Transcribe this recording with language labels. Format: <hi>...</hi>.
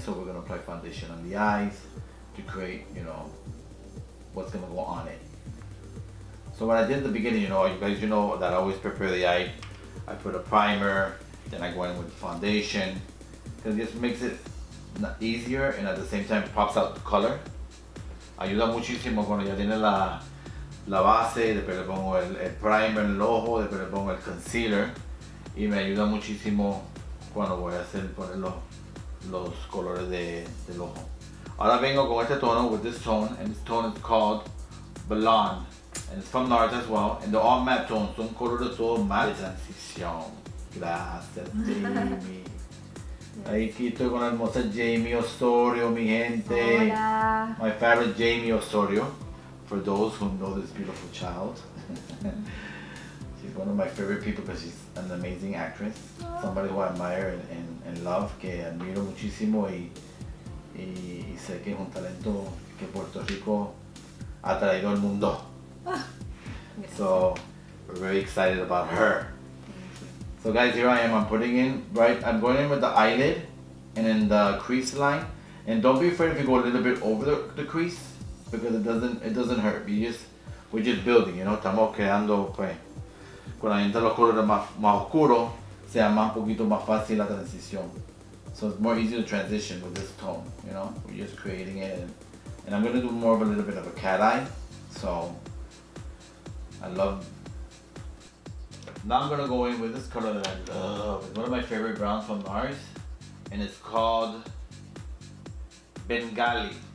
<en>So we're gonna apply foundation on the eyes to create, you know, what's gonna go on it. So what I did at the beginning, you know, you guys, you know that I always prepare the eye. I put a primer, then I go in with the foundation. It just makes it easier and at the same time pops out the color.</en> <es>Ayuda muchísimo cuando ya tiene la la base, después le pongo el primer en el ojo, después le pongo el concealer y me ayuda muchísimo cuando voy a hacer poner los colores del ojo. Ahora vengo con este tono,</es> <en>with this tone, and this tone is called Blonde, and it's from Nars as well, and they're all matte tones,</en> <es>son colores todos matte. De transición, gracias Jeimy. Yes. Ahí quito con la hermosa Jeimy Osorio, mi gente. Hola.</es> <en>My favorite Jeimy Osorio. For those who know this beautiful child, she's one of my favorite people because she's an amazing actress.</en> <es>Aww.</es> <en>Somebody who I admire and love,</en> <es>que admiro muchísimo y sé que es un talento que Puerto Rico ha traído al mundo.</es> <en>So, we're very excited about her. So guys, here I am, I'm going in with the eyelid and in the crease line. And don't be afraid if you go a little bit over the crease, because it doesn't hurt. We're just building, you know.</en> <es>Estamos creando, pues, cuando entran los colores más oscuros, se llama un poquito más fácil la transición.</es> <en>So it's more easy to transition with this tone, you know. We're just creating it. And I'm gonna do more of a little bit of a cat eye. So, now I'm gonna go in with this color that I love. It's one of my favorite browns from Nars, and it's called Bengali.</en>